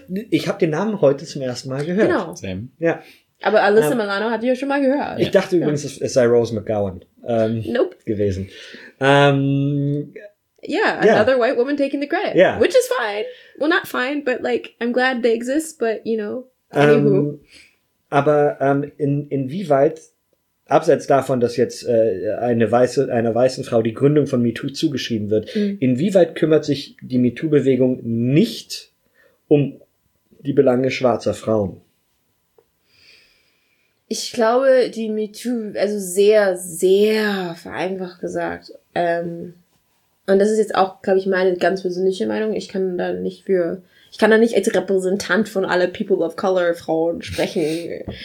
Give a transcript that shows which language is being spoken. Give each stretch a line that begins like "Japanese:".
German: Ich habe den Namen heute zum ersten Mal gehört. Genau.
English: Same.
German: Ja. Aber Alyssa Milano hatte ich ja schon mal gehört. Ich dachte übrigens, es sei Rose McGowan gewesen.
English: Another white woman taking the credit. Yeah. Which is fine. Well, not fine, but like, I'm glad they exist, but you know, anywho.
German: Aber inwieweit abseits davon, dass jetzt einer weißen Frau die Gründung von MeToo zugeschrieben wird, inwieweit kümmert sich die MeToo-Bewegung nicht um die Belange schwarzer Frauen? Ich glaube, die MeToo, also sehr, sehr vereinfacht gesagt, und das ist jetzt auch, glaube ich, meine ganz persönliche Meinung, ich kann da nicht als Repräsentant von alle People of Color Frauen sprechen.